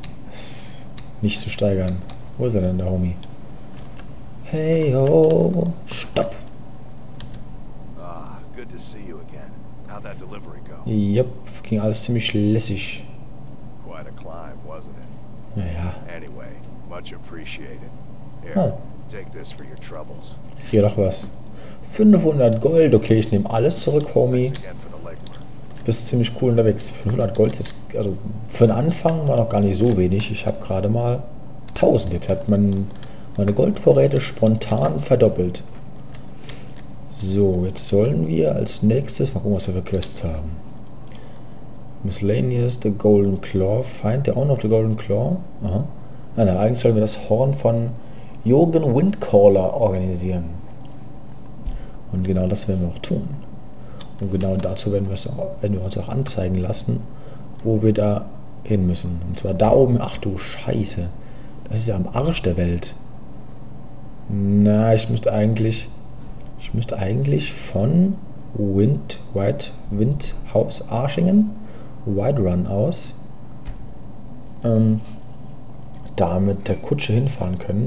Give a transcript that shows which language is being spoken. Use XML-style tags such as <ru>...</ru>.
<de>Ist nicht zu steigern. Wo ist er denn, der Homie? Hey, ho, stopp!</de> <en>Ah, good to see you. That delivery go?</en> <de>Yep, ging alles ziemlich lässig.</de> <en>Quite a climb, wasn't it?</en> <de>Naja.</de> <en>Anyway, much appreciated. Here, take this for your troubles.</en> <de>Hier doch was. 500 Gold, okay, ich nehme alles zurück, Homie. Bist ziemlich cool unterwegs. 500 Gold, jetzt, also für den Anfang war noch gar nicht so wenig. Ich habe gerade mal 1000. Jetzt hat meine Goldvorräte spontan verdoppelt. So, jetzt sollen wir als nächstes mal gucken, was wir für Quests haben.</de> <en>Miscellaneous, the Golden Claw, find the owner of the Golden Claw.</en> <de>Aha. Nein, eigentlich sollen wir das Horn von Jürgen Windcaller organisieren. Und genau das werden wir auch tun. Und genau dazu werden wir uns auch anzeigen lassen, wo wir da hin müssen. Und zwar da oben. Ach du Scheiße. Das ist ja am Arsch der Welt. Na, ich müsste eigentlich von Windhaus Arschingen, White Run aus, da mit der Kutsche hinfahren können.</de>